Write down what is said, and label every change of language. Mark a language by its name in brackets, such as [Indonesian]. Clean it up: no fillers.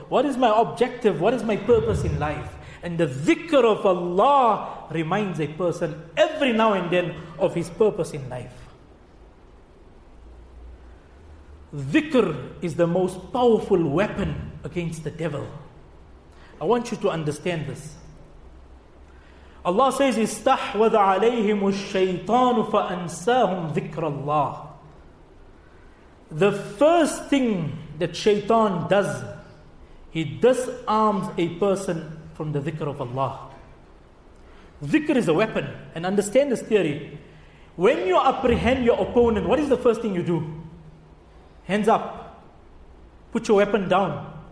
[English] What is my objective? What is my purpose in life? And the dhikr of Allah reminds a person every now and then of his purpose in life. Dhikr is the most powerful weapon against the devil. I want you to understand this. Allah says, [Arabic] استحوذ عليهم الشيطان فأنساهم ذكر الله. [English] The first thing that shaitan does, he disarms a person from the dhikr of Allah. Dhikr is a weapon. And understand this theory. When you apprehend your opponent, what is the first thing you do? Hands up. Put your weapon down.